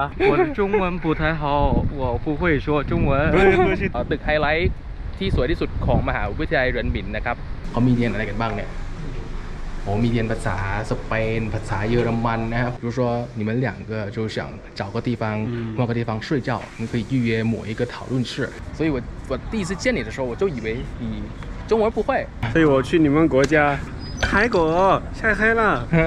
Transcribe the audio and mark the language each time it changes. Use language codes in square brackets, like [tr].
[zh] 我中文不太好我不会说中文 [th] ตึกไฮไลท์ที่สวยที่สุดของมหาวิทยาลัยเรินบินนะครับ เขามีเรียนอะไรกันบ้างเนี่ยผมมีเรียนภาษาสเปนภาษาเยอรมันนะครับ [zh] 比如说你们两个就想找个地方换个地方睡觉你可以预约某一个讨论室所以我第一次见你的时候我就以为你中文不会所以我去你们国家泰国晒黑了